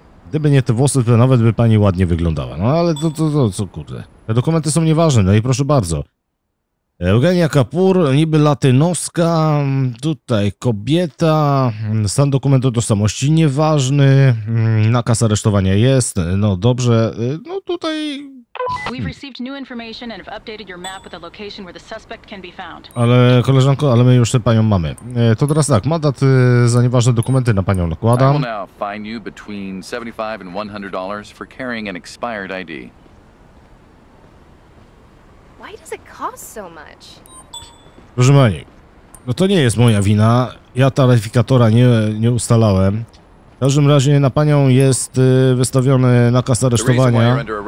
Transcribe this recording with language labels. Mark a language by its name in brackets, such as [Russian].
[Polish] Gdyby nie te włosy, to nawet by pani ładnie wyglądała. No ale to co kurde. Te dokumenty są nieważne, no i proszę bardzo. Eugenia Kapur, niby latynoska, tutaj kobieta, stan dokumentu tożsamości nieważny, nakaz aresztowania jest, no dobrze, no tutaj... [English] We've received new information and have updated your map with a location where the suspect can be found. [Polish] Ale koleżanko, ale my już tę panią mamy. To teraz tak, mandat za nieważne dokumenty na panią nakładam. [English] I will now fine you between $75 and $100 for carrying an expired ID. Why does it cost so much? [Polish] Proszę pani, no to nie jest moja wina. Ja taryfikatora nie ustalałem. W każdym razie na panią jest wystawiony nakaz aresztowania.